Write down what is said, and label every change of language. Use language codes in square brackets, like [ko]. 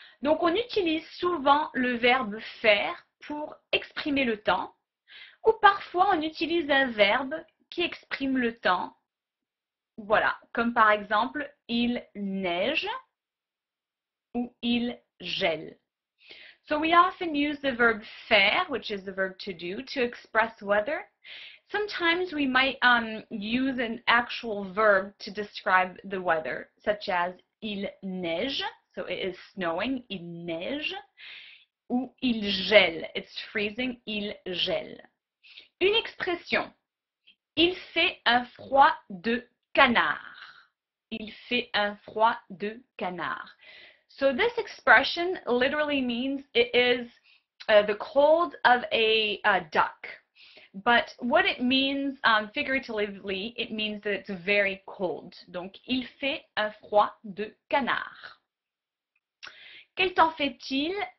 [fr] Donc, on utilise souvent le verbe faire pour exprimer le temps. Ou parfois, on utilise un verbe qui exprime le temps. Voilà. Comme par exemple, il neige ou il gèle. [en] So, we often use the verb faire, which is the verb to do, to express weather. Sometimes we might use an actual verb to describe the weather, such as [fr] il neige, [en] so it is snowing, [fr] il neige, ou il gèle, [en] it's freezing, [fr] il gèle. Une expression, il fait un froid de canard. Il fait un froid de canard. [en] So this expression literally means it is the cold of a duck. But what it means figuratively, it means that it's very cold. [fr] Donc, il fait un froid de canard. Quel temps fait-il?